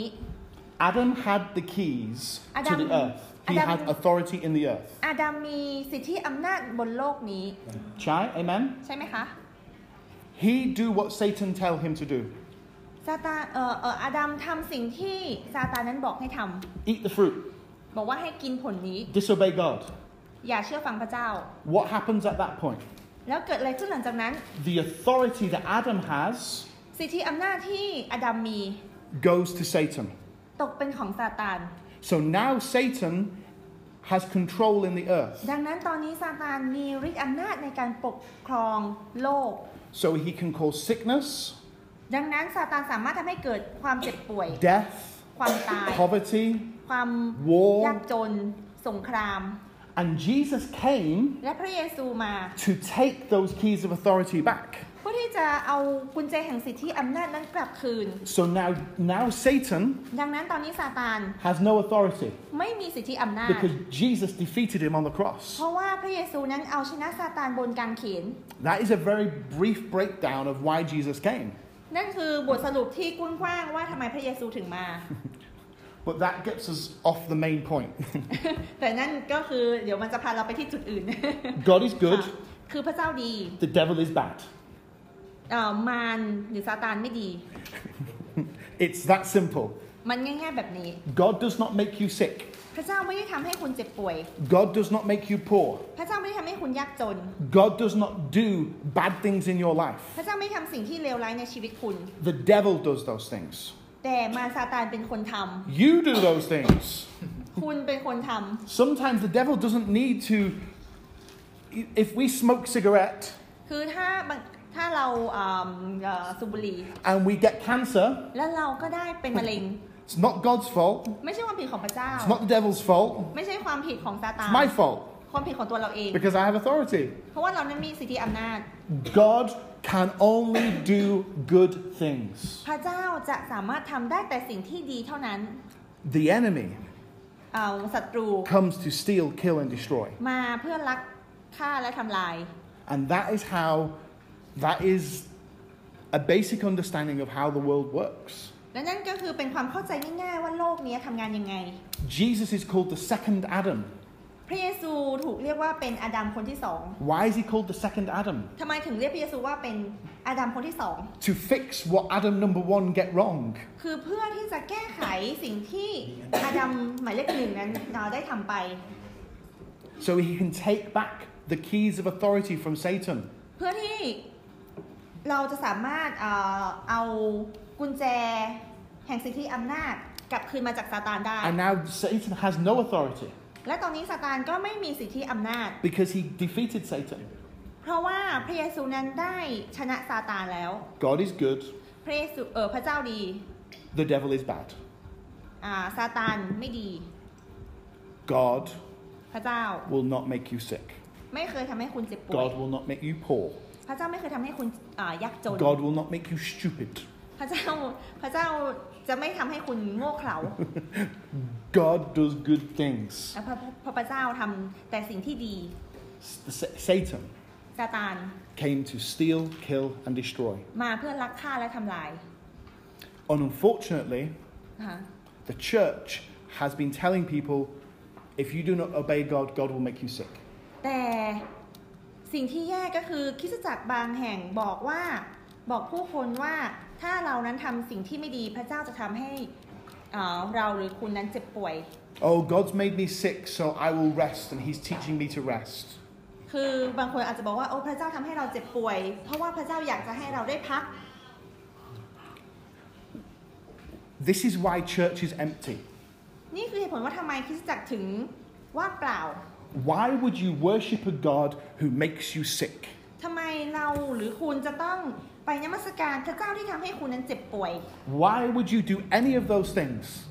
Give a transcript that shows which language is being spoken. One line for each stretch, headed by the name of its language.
English: Adam had the keys to the earthHe had authority in the earth.
Thai: Adam มีสิทธิอำนาจบนโลกนี้ใช่ Amen. ใ ช่ไหมคะ
English: He do what Satan tell him to do.
Thai: ซาตานAdam ทำสิ่งที่ซาตานนั้นบอกให้ทำ
English: Eat the fruit.
Thai: บอกว่าให้กินผลนี้
English: Disobey God.
Thai: อย่าเชื่อฟังพระเจ้า
English: What happens at that point?
Thai: แล้วเกิดอะไรขึ้นหลังจากนั้น
English: The authority that Adam has.
Thai: สิทธิอำนาจที่ Adam มี
English: Goes to Satan.
Thai: ตกเป็นของซาตาน
English: So now Satan has control in the earth.
Thai: ดังนั้นตอนนี้ซาตานมีฤทธิ์อำนาจในการปกครองโลก
English: So he can cause sickness.
Thai: ดังนั้นซาตานสามารถทำให้เกิดความเจ็บป่วย
English: Death.
Thai: ความตาย
English: Poverty.
Thai: ความ
English: War.
Thai: ยากจนสงคราม
English: And Jesus came.
Thai: และพระเยซูมา
English: to take those keys of authority back.
Thai: เ พื่อที่จะเอากุญแจแห่งสิทธิอำนาจนั้นกลับคืน
English: So now Satan
Thai: ดังนั้นตอนนี้ซาตาน
English: has no authority
Thai: ไม่มีสิทธิอำนาจ
English: because Jesus defeated him on the cross
Thai: เพราะว่าพระเยซูนั้นเอาชนะซาตานบนกางเขน
English: That is a very brief breakdown of why Jesus came
Thai: นั่นคือบทสรุปที่กว้างๆว่าทำไมพระเยซูถึงมา
English: But that gets us off the main point
Thai: แต่นั่นก็คือเดี๋ยวมันจะพาเราไปที่จุดอื่น
English: God is good
Thai: คือพระเจ้าดี
English: The devil is bad
Thai: มารหรือซาตานไม่ดี
English: It's that simple
Thai: มันง่ายๆแบบนี้
English: God does not make you sick
Thai: พระเจ้าไม่ได้ทำให้คุณเจ็บป่วย
English: God does not make you poor
Thai: พระเจ้าไม่ได้ทำให้คุณยากจน
English: God does not do bad things in your life
Thai: พระเจ้าไม่ทำสิ่งที่เลวร้ายในชีวิตคุณ
English: The devil does those things
Thai: แต่มารซาตานเป็นคนทำ
English: You do those things
Thai: คุณเป็นคนทำ
English: Sometimes the devil doesn't need to If we smoke cigarette
Thai: คือถ้าเราสูบบุหรี่
English: and we get cancer
Thai: แล้วเราก็ได้เป็นมะเร็ง
English: It's not God's fault
Thai: ไม่ใช่ความผิดของพระเจ้า
English: It's not the devil's fault
Thai: ไม่ใช่ความผิดของซาตาน
English: It's my fault
Thai: ความผิดของตัวเราเอง
English: Because I have authority
Thai: เพราะว่าเรานั้นมีสิทธิอำนาจ
English: God can only do good things
Thai: พระเจ้าจะสามารถทำได้แต่สิ่งที่ดีเท่านั้น
English: The enemy
Thai: ศัตรู
English: comes to steal, kill, and destroy
Thai: มาเพื่อลักฆ่าและทำลาย
English: And that is howThat is a basic understanding of how the world works.
Thai: และนั่นก็คือเป็นความเข้าใจง่ายๆว่าโลกนี้ทำงานยังไง
English: Jesus is called the second Adam.
Thai: พระเยซูถูกเรียกว่าเป็นอดัมคนที่สอง
English: Why is he called the second Adam?
Thai: ทำไมถึงเรียกพระเยซูว่าเป็นอดัมคนที่สอง
English: To fix what Adam number one get wrong.
Thai: คือเพื่อที่จะแก้ไขสิ่งที่อดัมหมายเลขหนึ่งนั้นเราได้ทำไป
English: So he can take back the keys of authority from Satan.
Thai: เพื่อที่เราจะสามารถเอากุญแจแห่งสิทธิอำนาจกลับคืนมาจากซาตานได้
English: And now Satan has no authority
Thai: และตอนนี้ซาตานก็ไม่มีสิทธิอำนาจ
English: Because he defeated Satan
Thai: เพราะว่าพระเยซูนั้นได้ชนะซาตานแล้ว
English: God is good
Thai: พระเยซูพระเจ้าดี
English: The devil is bad
Thai: ซาตานไม่ดี
English: God
Thai: พระเจ้า
English: will not make you sick
Thai: ไม่เคยทำให้คุณเจ็บป่วย
English: God will not make you poor
Thai: พระเจ้าไม่เคยทำให้คุณยากจน
English: God will not make you stupid
Thai: พระเจ้าจะไม่ทำให้คุณโง่เขลา
English: God does good things
Thai: พระเจ้าทำแต่สิ่งที่ดี
English: Satan
Thai: ซาตาน
English: came to steal, kill, and destroy
Thai: มาเพื่อลักฆ่าและทำลาย
English: Unfortunately the church has been telling people if you do not obey God, God will make you sick
Thai: แต่สิ่งที่แย่ก็คือคริสตจักรบางแห่งบอกผู้คนว่าถ้าเรานั้นทำสิ่งที่ไม่ดีพระเจ้าจะทำให้เราหรือคุณนั้นเจ็บป่วย
English: Oh God's made me sick so I will rest and He's teaching me to rest
Thai: คือบางคนอาจจะบอกว่าโอ้พระเจ้าทำให้เราเจ็บป่วยเพราะว่าพระเจ้าอยากจะให้เราได้พัก
English: This is why church is empty
Thai: นี่คือเหตุผลว่าทำไมคริสตจักรถึงว่างเปล่า
English: Why would you worship a God who makes you sick?
Thai: ทำไมเราหรือคุณจะต้องไปนมัสการพระเจ้าที่ทำให้คุณนั้นเจ็บป่วย
English: Why would you do any of those things?